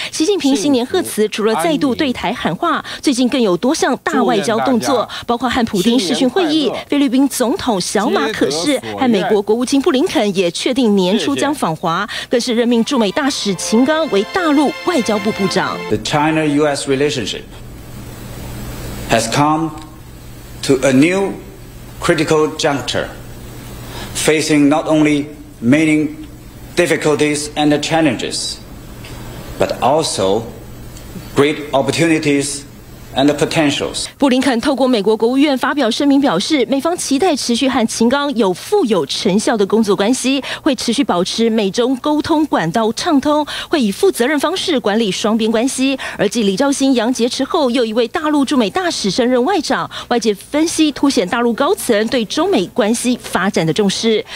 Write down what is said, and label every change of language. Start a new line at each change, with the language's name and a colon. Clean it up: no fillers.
Chinese: 习近平新年贺词除了再度对台喊话，最近更有多项大外交动作，包括和普丁视讯会议，菲律宾总统小马可士和美国国务卿布林肯也确定年初将访华，更是任命驻美大使使秦刚为大陆外交部部长。
English: The China-U.S. relationship has come to a new critical juncture, facing not only many difficulties and challenges, but also great opportunities. And the potentials.
Chinese: 布林肯透过美国国务院发表声明表示，美方期待持续和秦刚有富有成效的工作关系，会持续保持美中沟通管道畅通，会以负责任方式管理双边关系。而继李兆新、杨洁篪后又一位大陆驻美大使升任外长，外界分析凸显大陆高层对中美关系发展的重视。